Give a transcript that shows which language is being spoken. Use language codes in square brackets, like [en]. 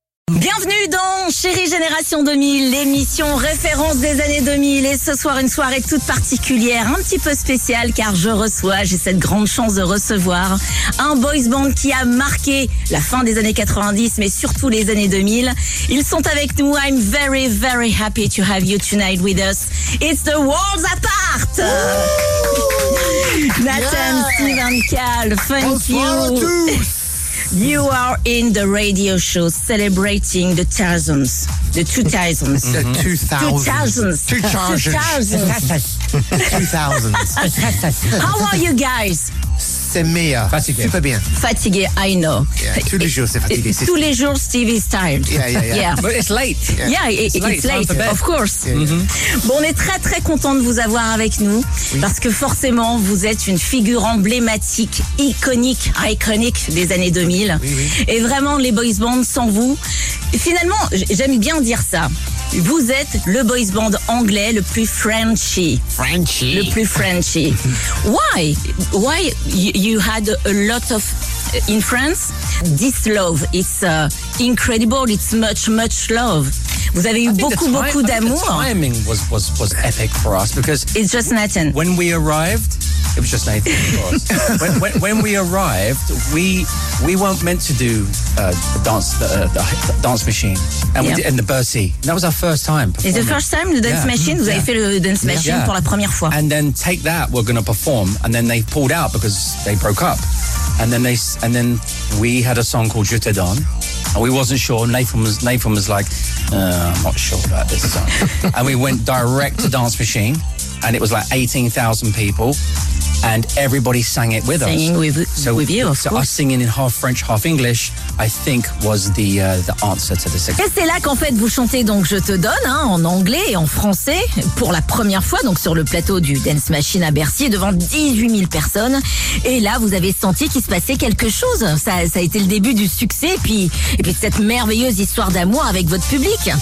[fr] Bienvenue dans Chérie Génération 2000, l'émission référence des années 2000. Et ce soir, une soirée toute particulière, un petit peu spéciale, car j'ai cette grande chance de recevoir un boys band qui a marqué la fin des années 90, mais surtout les années 2000. Ils sont avec nous. [en] I'm very, very happy to have you tonight with us. It's the Worlds Apart! Nathan, Steven, Cal, thank you. [fr] Bonsoir à tous. [en] You are in the radio show celebrating the thousands, the 2000s. Mm-hmm. The 2000s. How are you guys? [fr] C'est meilleur. Fatigué. Super bien. Fatigué, [en] I know. [fr] Yeah, tous les jours, c'est fatigué. Tous les jours, Steve [en] is tired. Yeah. But it's late. Yeah, it's late. Of course. Yeah, yeah. Mm-hmm. [fr] Bon, on est très, très content de vous avoir avec nous. Oui. Parce que forcément, vous êtes une figure emblématique, iconique des années 2000. Oui, oui. Et vraiment, les boys bands sans vous. Finalement, j'aime bien dire ça. Vous êtes le boys band anglais le plus Frenchy. Frenchy. [en] Why you had a lot of in France? This love, it's incredible. It's much love. [fr] Vous avez eu beaucoup d'amour. [en] The timing was epic for us because it's just Nathan. When we arrived. It was just Nathan, of course. when we arrived, we weren't meant to do the dance machine. And, yeah. And the Bercy. That was our first time performing. It's the first time, the dance machine? [fr] Vous avez fait le dance machine pour la première fois. [en] And then Take That, we're going to perform. And then they pulled out because they broke up. And then we had a song called Je te donne. And we wasn't sure. Nathan was like, I'm not sure about this song. And we went direct to Dance Machine. And it was like 18,000 people. And everybody sang it with us. Us singing in half French, half English, I think, was the answer to the signal. [fr] Et c'est là qu'en fait, vous chantez donc Je te donne, hein, en anglais et en français, pour la première fois, donc sur le plateau du Dance Machine à Bercy, devant 18 000 personnes. Et là, vous avez senti qu'il se passait quelque chose. Ça a été le début du succès, et puis cette merveilleuse histoire d'amour avec votre public.